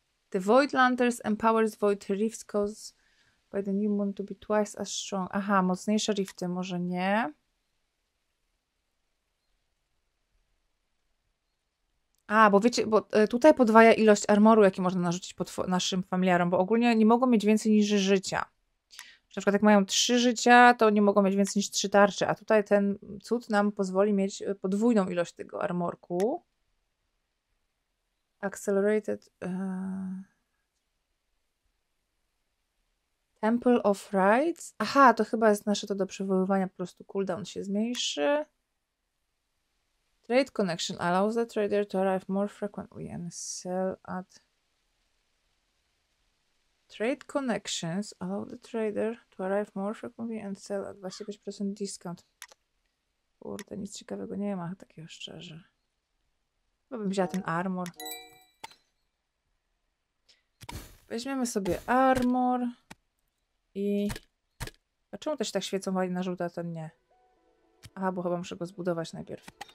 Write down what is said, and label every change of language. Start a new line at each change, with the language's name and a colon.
English: The Voidlanders empowers Void Rift cause by the new moon to be twice as strong.
Polish: Aha, mocniejsze rifty, może nie. A, bo wiecie, bo tutaj podwaja ilość armoru, jaki można narzucić naszym familiarom, bo ogólnie nie mogą mieć więcej niż życia. Na przykład jak mają 3 życia, to nie mogą mieć więcej niż 3 tarcze, a tutaj ten cud nam pozwoli mieć podwójną ilość tego armorku. Accelerated... Temple of Rites. Aha, to chyba jest nasze to do przywoływania, po prostu cooldown się zmniejszy.
English: Trade connection allows the trader to arrive more frequently and sell at... Trade connections allow the trader to arrive more frequently and sell at 25% discount.
Polish: Kurde, nic ciekawego nie ma takiego szczerze. Chyba bym wzięła ten armor. Weźmiemy sobie armor. I... A czemu też tak świecą wali na żółto, a ten nie? Aha, bo chyba muszę go zbudować najpierw.